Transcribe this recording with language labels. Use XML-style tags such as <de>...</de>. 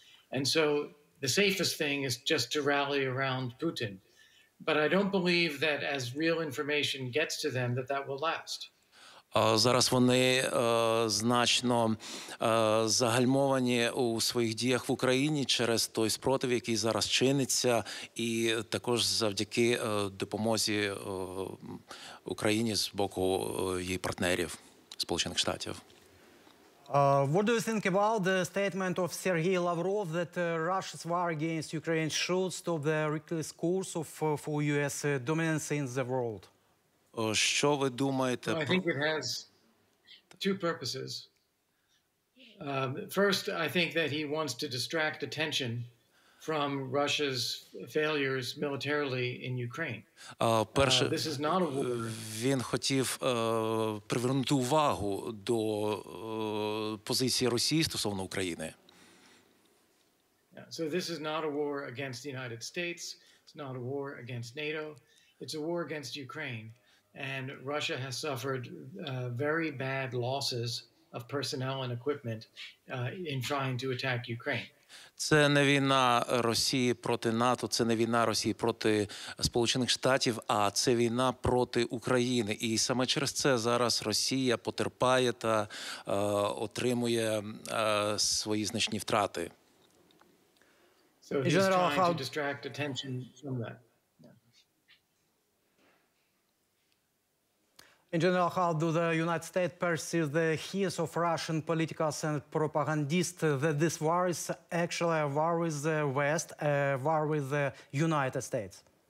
<en>And so the safest thing is just to rally around Putin. But I don't believe that as real information gets to them, that that will last.</en> <uk>Зараз вони значно загальмовані у своїх діях в Україні через той спротив, який зараз чиниться, і також завдяки допомозі Україні з боку її партнерів Сполучених Штатів.</uk> <en>What do you think about the statement of Sergei Lavrov that Russia's war against Ukraine should stop the reckless course of for US dominance in the world?</en> <uk>Що ви думаєте?</uk> <en>I think it has two purposes. First, I think that he wants to distract attention from Russia's failures militarily in Ukraine. Перше, this is not a war.</en> <uk>Він хотів привернути увагу до позиції Росії стосовно України.</uk> <en>So this is not a war against the United States. It's not a war against NATO. It's a war against Ukraine. And Russia has suffered very bad losses of personnel and equipment in trying to attack Ukraine.</en> <uk>Це не війна Росії проти НАТО, це не війна Росії проти Сполучених Штатів, а це війна проти України. І саме через це зараз Росія потерпає та отримує свої значні втрати.</uk> <en>So he's trying to distract attention from that. In general, how do the United States perceive the hints of Russian politicians and propagandists that this war is actually a war with the West, a war with the United States?</en>